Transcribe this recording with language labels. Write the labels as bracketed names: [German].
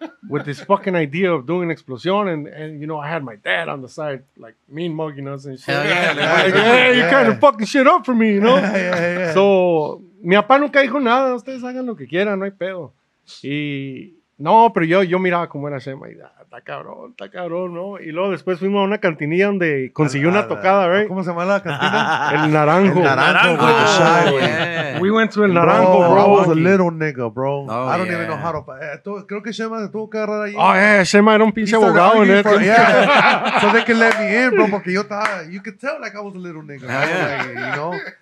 [English] With this fucking idea of doing an explosion, and you know, I had my dad on the side, like mean mugging us and shit. Yeah, you kind of fucking shit up for me, you know? Yeah. [Spanish] So, mi papá nunca dijo nada, ustedes hagan lo que quieran, no hay pedo. Y no, pero yo miraba como era Shema, y está cabrón, ¿no? Y luego después fuimos a una cantinilla donde consiguió una tocada, ¿verdad? [English] Right? [Spanish] ¿Cómo se llama la cantina? El Naranjo. El Naranjo. [English] Oh, yeah. We went to el Naranjo, bro. I was a little nigga, bro. Oh, I don't even know how to... [Spanish] creo que Shema se tuvo que agarrar ahí. [English] Oh, yeah. [Spanish] Shema era un pinche abogado en esto. [English] So they can let me in, bro, [Spanish] porque yo estaba... [English] You could tell like I was a little nigga.